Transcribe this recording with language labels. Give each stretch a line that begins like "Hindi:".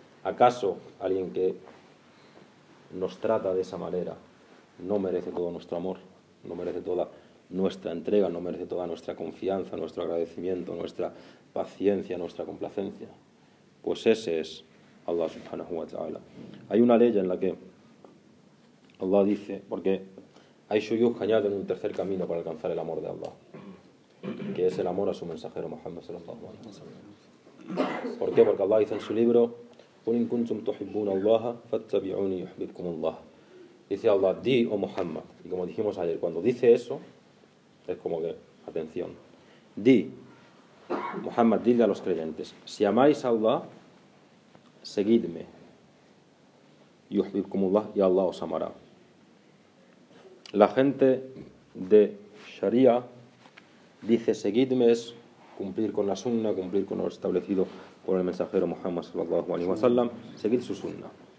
Spanish: ¿Acaso alguien que nos trata de esa manera no merece todo nuestro amor, no merece toda nuestra entrega, no merece toda nuestra confianza, nuestro agradecimiento, nuestra paciencia, nuestra complacencia? Pues ese es Allah subhanahu wa ta'ala. Hay una ley en la que Allah dice, porque hay shuyuj añaden un tercer camino para alcanzar el amor de Allah, que es el amor a su mensajero Muhammad sallallahu alaihi wasallam. ¿Por qué? Porque Allah dice en su libro,
Arabic: قُلْ إِن كُنْتُمْ تُحِبُّونَ اللَّهَ فَاتَّبِعُونِ يُحْبِبْكُمُ اللَّهَ.
Spanish: Dice Allah, di, oh Muhammad. Y como dijimos ayer, cuando dice eso, es como que, atención. Di, Muhammad, dile a los creyentes, si amáis a Allah, seguidme.
Arabic: يُحْبِبْكُمُ اللَّهَ,
Spanish: y Allah os amará. La gente de Sharia dice, seguidme, es cumplir con la sunna, cumplir con lo establecido por el mensajero Muhammad sallallahu alaihi wasallam, seguir su sunna.